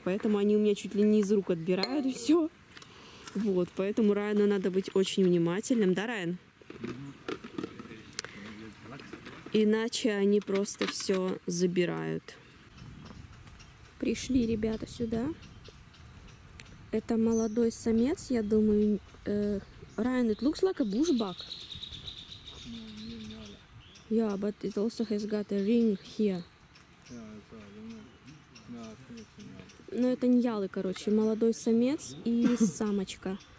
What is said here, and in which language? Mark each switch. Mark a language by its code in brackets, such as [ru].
[ru] Поэтому они у меня чуть ли не из рук отбирают все. Вот, поэтому Райану надо быть очень внимательным. Да, Райан? Иначе они просто все забирают. Пришли ребята сюда. Это молодой самец, я думаю. [en] Райан, it looks like a bushbuck. Yeah, but it also has got a ring here. [ru] Но это ньялы, короче, молодой самец и самочка.